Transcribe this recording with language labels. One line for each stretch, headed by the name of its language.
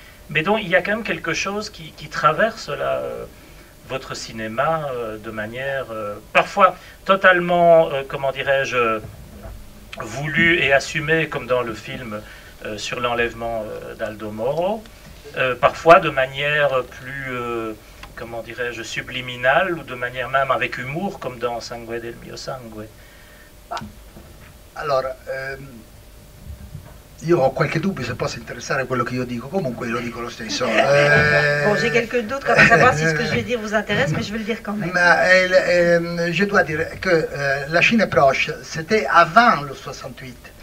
French: Mais donc, il y a quand même quelque chose qui traverse là, votre cinéma de manière parfois totalement, comment dirais-je, voulue et assumée, comme dans le film sur l'enlèvement d'Aldo Moro, parfois de manière plus, comment dirais-je, subliminale, ou de manière même avec humour, comme dans Sangue del mio sangue. Alors...
Italian: Io ho qualche dubbio se possa interessare quello che io dico, comunque lo dico lo stesso.
French: Bon, j'ai quelques doutes quant à savoir si ce que je vais dire vous intéresse, mais je vais le dire quand même. Je dois dire que la Chine est proche, c'était avant le 68.